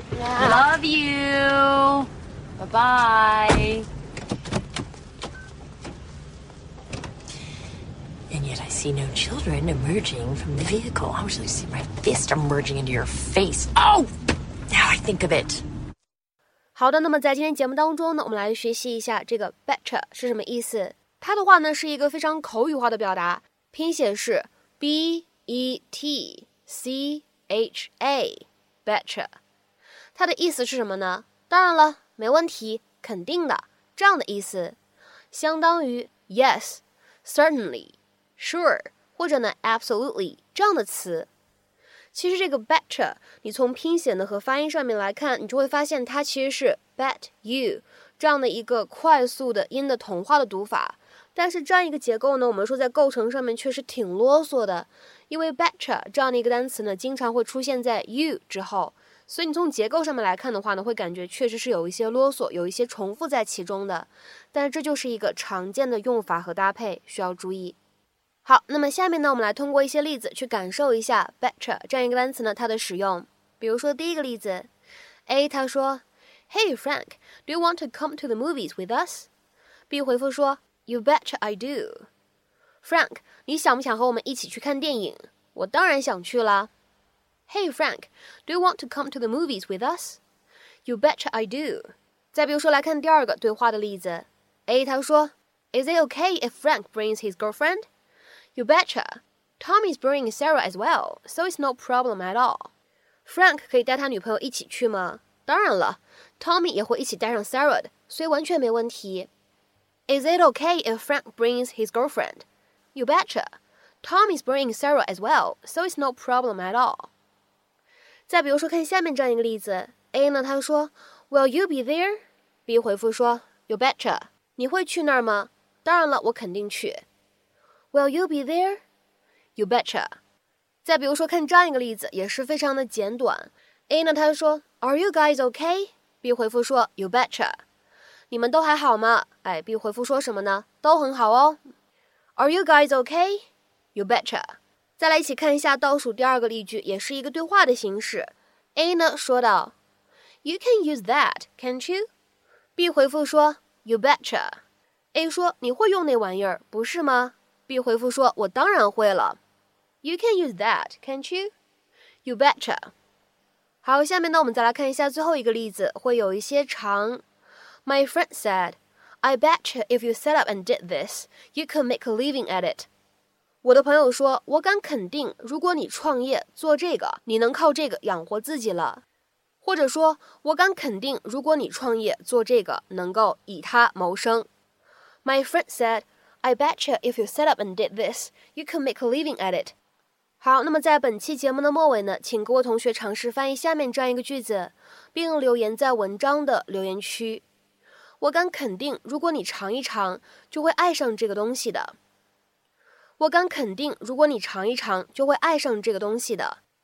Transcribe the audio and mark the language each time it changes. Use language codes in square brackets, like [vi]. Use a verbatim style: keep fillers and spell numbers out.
[en] Yeah. Love you. Bye-bye. And yet I see no children emerging from the vehicle. I wish I see my fist emerging into your face. Oh, now I think of it. [zh] 好的，那么在今天节目当中呢，我们来学习一下这个 betcha 是什么意思。它的话呢是一个非常口语化的表达，拼写是 B E T C H A betcha。它的意思是什么呢？当然了，没问题，肯定的，这样的意思，相当于 [en] yes, certainly. [zh] Sure 或者呢 absolutely 这样的词。其实这个 betcha 你从拼写呢和发音上面来看，你就会发现它其实是 bet you 这样的一个快速的音的同化的读法，但是这样一个结构呢，我们说在构成上面确实挺啰嗦的，因为 betcha 这样的一个单词呢经常会出现在 you 之后，所以你从结构上面来看的话呢，会感觉确实是有一些啰嗦，有一些重复在其中的，但是这就是一个常见的用法和搭配，需要注意。好，那么下面呢，我们来通过一些例子去感受一下 betcha 这样一个单词呢它的使用。比如说第一个例子 ，A 他说 [en] ，Hey Frank, do you want to come to the movies with us? B [zh] 回复说 [en] ，You betcha I do. [zh] Frank, 你想不想和我们一起去看电影？我当然想去啦。 [en] Hey Frank, do you want to come to the movies with us? You betcha I do. [zh] 再比如说来看第二个对话的例子 ，A 他说 [en] ，Is it okay if Frank brings his girlfriend? You betcha. Tommy's bringing Sarah as well, so it's no problem at all. [zh] Frank 可以带他女朋友一起去吗？当然了 ，Tommy 也会一起带上 Sarah 的，所以完全没问题。 [en] Is it okay if Frank brings his girlfriend? You betcha. Tommy's bringing Sarah as well, so it's no problem at all. [zh] 再比如说，看下面这样一个例子 ，A 呢他说 ， [en] Will you be there? B [zh] 回复说 [en] ，You betcha. [zh] 你会去那儿吗？当然了，我肯定去。 [en] Will you be there? You betcha. [zh] 再比如说看这样一个例子，也是非常的简短。 [en] A [zh] 呢，他说 [en] Are you guys okay? B [zh] 回复说 [en] You betcha. [zh] 你们都还好吗？哎 ，B 回复说什么呢？都很好哦。 [en] Are you guys okay? You betcha. [zh] 再来一起看一下倒数第二个例句，也是一个对话的形式。 [en] A [zh] 呢说道 [en] You can use that, can't you? B [zh] 回复说 [en] You betcha. [zh] A 说你会用那玩意儿，不是吗？ B 回复说我当然会了 [en] You can use that, can't you? You betcha. [zh] 好，下面呢我们再来看一下最后一个例子，会有一些长。 [en] My friend said I betcha if you set up and did this you could make a living at it. [zh] 我的朋友说我敢肯定，如果你创业做这个，你能靠这个养活自己了。或者说我敢肯定，如果你创业做这个，能够以它谋生。 [en] My friend said I betcha if you set up and did this, you can make a living at it. [zh] 好，那么在本期节目的末尾呢，请各位同学尝试翻译下面这样一个句子，并留言在文章的留言区。我敢肯定，如果你尝一尝，就会爱上这个东西的。我敢肯定，如果你尝一尝，就会爱上这个东西的。